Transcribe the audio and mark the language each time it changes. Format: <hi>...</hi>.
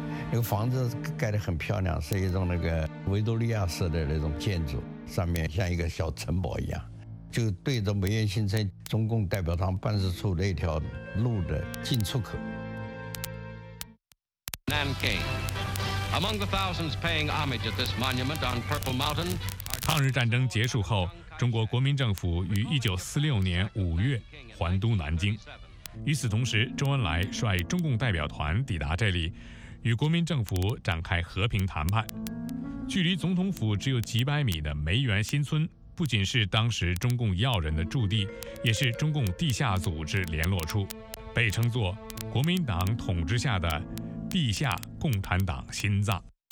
<zh>那个房子盖得很漂亮，是一种那个维多利亚式的那种建筑，上面像一个小城堡一样，就对着梅苑新村中共代表团办事处那条路的进出口。</zh> <en>Nanking. Among the thousands paying homage at this monument on Purple Mountain.</en> <zh>抗日战争结束后，中国国民政府于1946年5月还都南京。与此同时，周恩来率中共代表团抵达这里，与国民政府展开和平谈判。距离总统府只有几百米的梅园新村，不仅是当时中共要人的驻地，也是中共地下组织联络处，被称作国民党统治下的地下共产党心脏。</zh>